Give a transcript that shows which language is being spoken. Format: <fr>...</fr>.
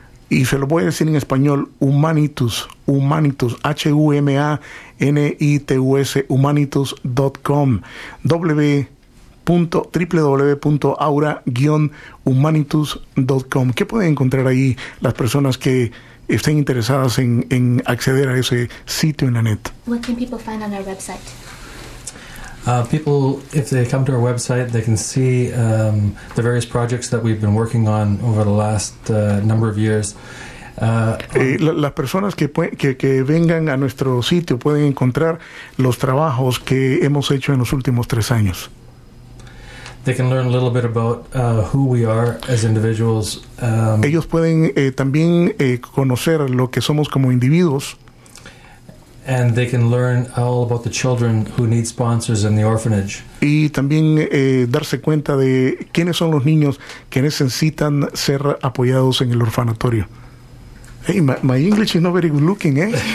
<es>Y se lo voy a decir en español, Humanitus, H-U-M-A-N-I-T-U-S, humanitus.com, www.aura-humanitus.com. ¿Qué pueden encontrar ahí las personas que estén interesadas en acceder a ese sitio en la net?</es> <en>What can people find on our website? People, if they come to our website, they can see the various projects that we've been working on over the last number of years.</en> <es>Las personas que vengan a nuestro sitio pueden encontrar los trabajos que hemos hecho en los últimos 3 años.</es> <en>They can learn a little bit about who we are as individuals.</en> <es>Ellos pueden también conocer lo que somos como individuos.</es> <en>And they can learn all about the children who need sponsors in the orphanage.</en> <es>Y también darse cuenta de quiénes son los niños que necesitan ser apoyados en el orfanatorio.</es> <en>Hey, my English is not very good looking, eh?</en>